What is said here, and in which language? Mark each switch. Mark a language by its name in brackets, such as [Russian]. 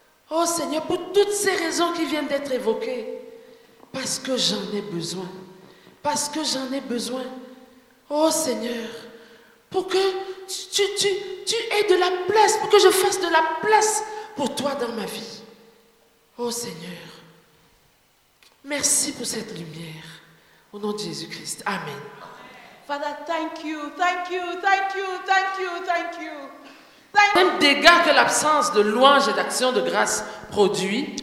[French] Oh Seigneur, pour toutes ces raisons qui viennent d'être évoquées, parce que j'en ai besoin, parce que j'en ai besoin, oh Seigneur, pour que tu aies de la place, pour que je fasse de la place pour toi dans ma vie. Oh Seigneur, merci pour cette lumière, au nom de Jésus-Christ, amen. [English] Father, thank you, thank you, thank you, thank you, thank you. [French] Même dégât que l'absence de louange et d'action de grâce produit